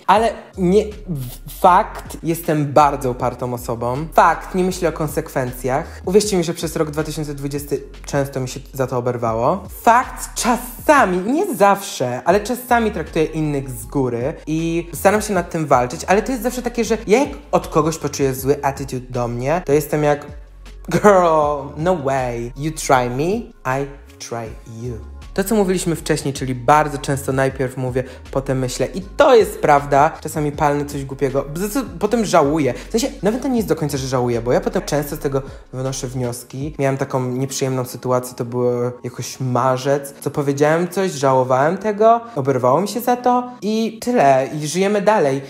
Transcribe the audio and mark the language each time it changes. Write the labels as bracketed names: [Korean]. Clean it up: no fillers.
[Polish] Ale nie, fakt, jestem bardzo upartą osobą, fakt, nie myślę o konsekwencjach. Uwierzcie mi, że przez rok 2020 często mi się za to oberwało. Fakt, czasami, nie zawsze, ale czasami traktuję innych z góry i staram się nad tym walczyć, ale to jest zawsze takie, że ja jak od kogoś poczuję zły attitude do mnie, to jestem jak... [English] Girl, no way. You try me, I try you. [Polish] To, co mówiliśmy wcześniej, czyli bardzo często najpierw mówię, potem myślę. I to jest prawda. Czasami palnę coś głupiego, potem żałuję. W sensie, nawet to nie jest do końca, że żałuję, bo ja potem często z tego wynoszę wnioski. Miałam taką nieprzyjemną sytuację, to był jakoś marzec, co powiedziałem coś, żałowałem tego, oberwało mi się za to i tyle. I żyjemy dalej.